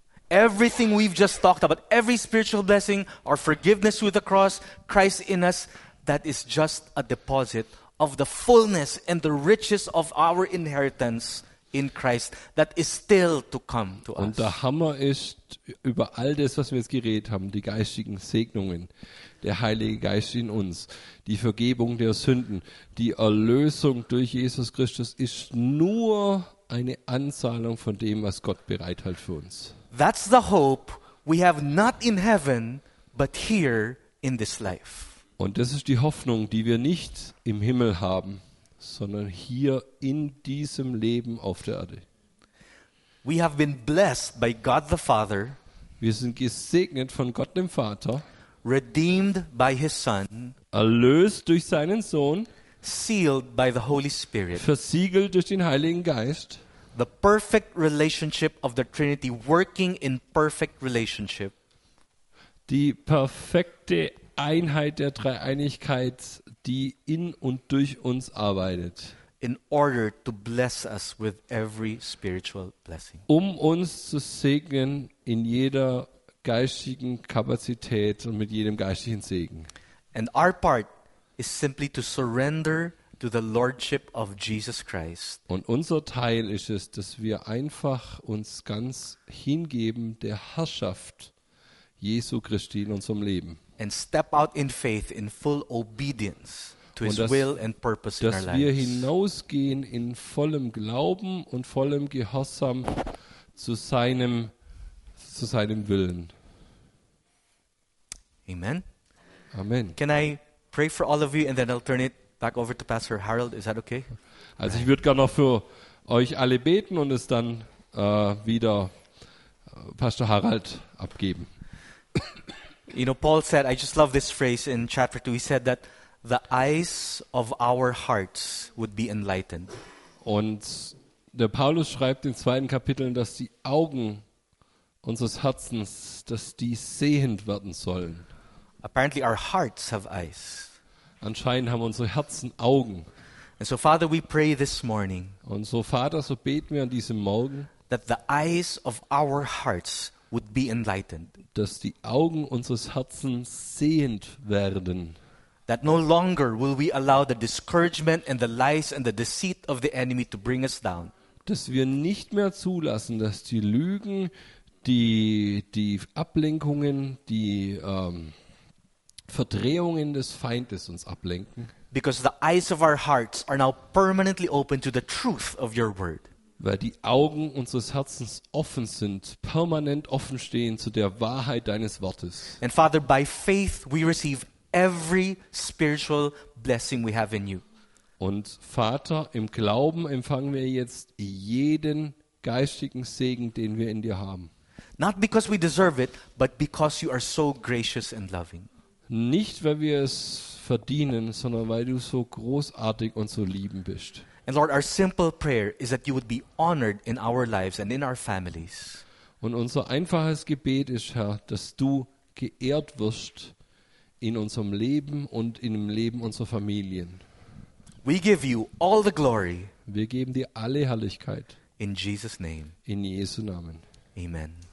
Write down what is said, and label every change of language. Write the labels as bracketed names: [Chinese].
[English] Everything we've just talked about, every spiritual blessing, our forgiveness with the cross, Christ in us, that is just a deposit of the fullness and the riches of our inheritance in Christ that is still to come to [German] us. Und der Hammer ist, über all das, was wir jetzt geredet haben, die geistigen Segnungen, der Heilige Geist in uns, die Vergebung der Sünden, die Erlösung durch Jesus Christus ist nur eine Anzahlung von dem, was Gott bereithält für uns. [English] That's the hope we have not in heaven, but here in this life. [German] Und das ist die Hoffnung, die wir nicht im Himmel haben, sondern hier in diesem Leben auf der Erde. [English] We have been blessed by God the Father. [German] Wir sind gesegnet von Gott dem Vater. [English] Redeemed by his Son. [German] Erlöst durch seinen Sohn. [English] Sealed by the Holy Spirit. [German] Versiegelt durch den Heiligen Geist. [English] The perfect relationship of the Trinity working in perfect relationship. [German] Die perfekte Einheit der Dreieinigkeit, die in und durch uns arbeitet. [English] In order to bless us with every spiritual blessing. [German] Um uns zu segnen in jeder geistigen Kapazität und mit jedem geistigen Segen. [English] And our part is simply to surrender to the Lordship of Jesus Christ. [German] Und unser Teil ist es, dass wir einfach uns ganz hingeben der Herrschaft Jesu Christi in unserem Leben. [English] And step out in faith in full obedience to his will and purpose in our lives. [German] Dass wir hinausgehen in vollem Glauben und vollem Gehorsam zu seinem Willen. [English] Amen. [German] Amen. [English] Can I pray for all of you and then I'll turn it back over to Pastor Harold? Is that okay? [German] Also ich würde gerne noch für euch alle beten und es dann wieder Pastor Harald abgeben. [English] You know, Paul said, I just love this phrase in chapter 2. He said that the eyes of our hearts would be enlightened. [German] Und der Paulus schreibt in 2. Kapiteln, dass die Augen unseres Herzens, dass die sehend werden sollen. [English] Apparently our hearts have eyes. [German] Anscheinend haben unsere Herzen Augen. [English] And so Father, we pray this morning. [German] Und so Vater, so beten wir an diesem Morgen, [English] that the eyes of our hearts would be enlightened. [German] Dass die Augen unseres Herzens sehend werden. [English] That no longer will we allow the discouragement and the lies and the deceit of the enemy to bring us down. [German] Dass wir nicht mehr zulassen, dass die Lügen, die Ablenkungen, die Verdrehungen des Feindes uns ablenken. [English] Because the eyes of our hearts are now permanently open to the truth of your word. [German] Weil die Augen unseres Herzens offen sind, permanent offen stehen zu der Wahrheit deines Wortes. [English] And Father, by faith we receive every spiritual blessing we have in you. [German] Und Vater, im Glauben empfangen wir jetzt jeden geistigen Segen, den wir in dir haben. [English] Not because we deserve it, but because you are so gracious and loving. [German] Nicht weil wir es verdienen, sondern weil du so großartig und so lieben bist. [English] And Lord, our simple prayer is that you would be honored in our lives and in our families. [German] Und unser einfaches Gebet ist, Herr, dass du geehrt wirst in unserem Leben und in dem Leben unserer Familien. [English] We give you all the glory. [German] Wir geben dir alle Herrlichkeit. [English] In Jesus' name. [German] In Jesu Namen. Amen.